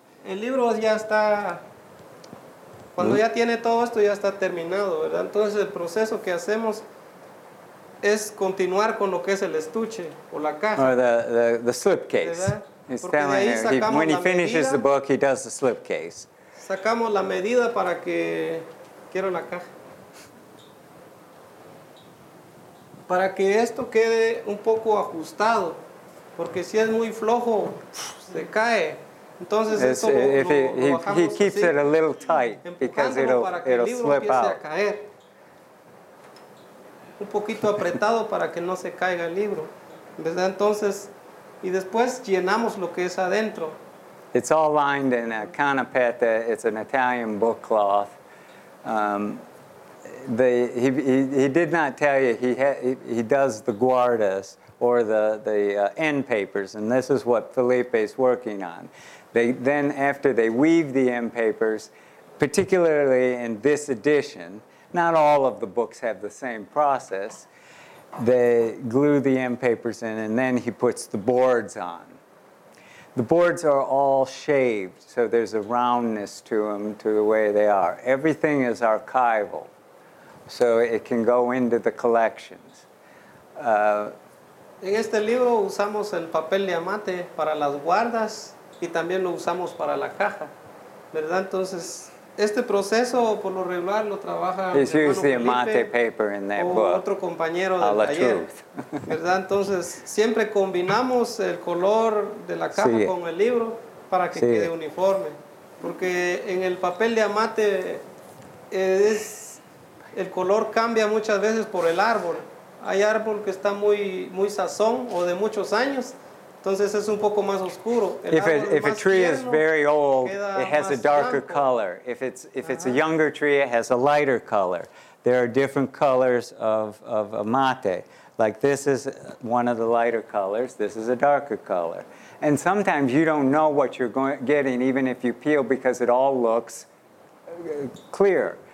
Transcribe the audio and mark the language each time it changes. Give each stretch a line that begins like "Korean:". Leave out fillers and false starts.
Spanish: El libro ya está, cuando ya tiene todo esto, ya está terminado, ¿verdad? Entonces el proceso que hacemos es continuar con lo que es el estuche o la caja.
English: Or the slipcase. He's telling her, when he finishes the book, he does the slipcase.
Spanish: Sacamos la medida para que, quiero la caja. Para que esto quede un poco ajustado, porque si es muy flojo, se cae. Entonces, esto
English: he keeps
Spanish: así,
English: it a little tight because it'll slip out.
Spanish: Un poquito apretado para que no se caiga el libro. ¿Verdad? Entonces, y después llenamos lo que es adentro.
English: It's all lined in a canapetta. It's an Italian book cloth. He did not tell you he does the guardas or the end papers, and this is what Felipe's working on. Then after they weave the end papers, particularly in this edition, not all of the books have the same process, they glue the end papers in and then he puts the boards on. The boards are all shaved, so there's a roundness to them, to the way they are. Everything is archival, so it can go into the collections.
Spanish: En este libro usamos el papel diamante para las guardas y también lo usamos para la caja, ¿verdad? Entonces, este proceso por lo regular lo trabaja
English: he's used the amate paper in that book.
Spanish: Otro compañero del taller, ¿verdad? Entonces, siempre combinamos el color de la caja con el libro para que quede uniforme. Porque en el papel de amate es el color cambia muchas veces por el árbol. Hay árbol que está muy muy sazón o de muchos años. Entonces es un poco más oscuro.
English: If a tree is very old, it has a darker color. If it's a younger tree, it has a lighter color. There are different colors of amate. Like this is one of the lighter colors. This is a darker color. And sometimes you don't know what you're getting, even if you peel, because it all looks clear.